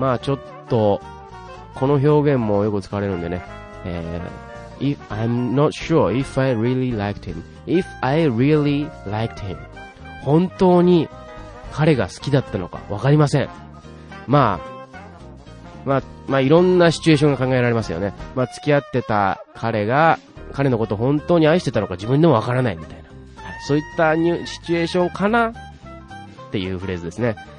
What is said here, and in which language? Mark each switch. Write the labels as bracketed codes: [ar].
[ja] まあちょっと、この表現もよく使われるんでね。 [en] If I'm not sure if I really liked him. If I really liked him. [ja] 本当に彼が好きだったのかわかりません。まあいろんなシチュエーションが考えられますよね。まあ付き合ってた彼が彼のこと本当に愛してたのか自分でもわからないみたいな。そういったシチュエーションかなっていうフレーズですね。